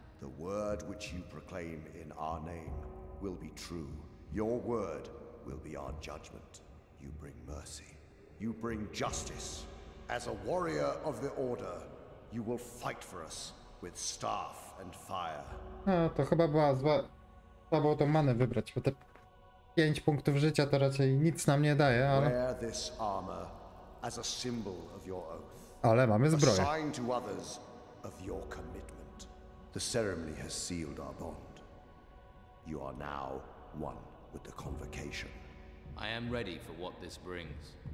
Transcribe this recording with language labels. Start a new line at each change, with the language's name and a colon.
English: The word which you proclaim in our name will be true. Your word will be our judgment. You bring mercy. You bring justice. As a warrior of the order, you will fight for us with staff and fire.
Polish: No, to chyba była zła. Trzeba było tą manę wybrać, bo te 5 punktów życia to raczej nic nam nie daje, ale...
English: Wear this armor as a symbol of your oath.
Polish: Ale mamy zbroję.
English: A sign to others of your commitment. The ceremony has sealed our bond. You are now one with the convocation. I am ready for what this brings.